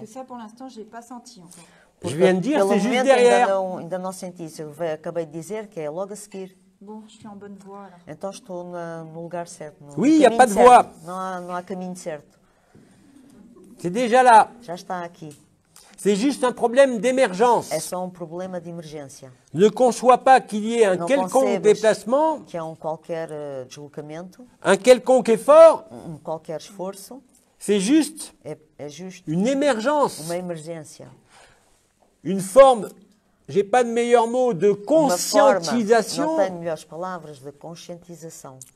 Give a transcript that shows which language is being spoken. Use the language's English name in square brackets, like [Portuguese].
[French] Porque ça, pour l'instant, j'ai pas senti. Je viens de dire, c'est juste derrière. [Portuguese] Ainda não senti isso. Eu acabei de dizer que é logo a seguir. Bom, [French] je suis en bonne voie. Là. [Portuguese] Então, estou no lugar certo. No [French] oui, il n'y a pas de voie. [Portuguese] Não há caminho certo. [French] C'est déjà là. [Portuguese] Já está aqui. [French] C'est juste un problème d'émergence. [Portuguese] É só um problema de emergência. [French] Ne conçois pas qu'il y ait un quelconque déplacement. [Portuguese] Que há qualquer deslocamento. [French] Un quelconque effort. [Portuguese] Qualquer esforço. [French] C'est juste. [Portuguese] É juste. [French] Une émergence. [Portuguese] Uma emergência. [French] Une forme. J'ai pas de meilleur mot de conscientisation. [Portuguese] Não tenho melhores palavras de conscientização.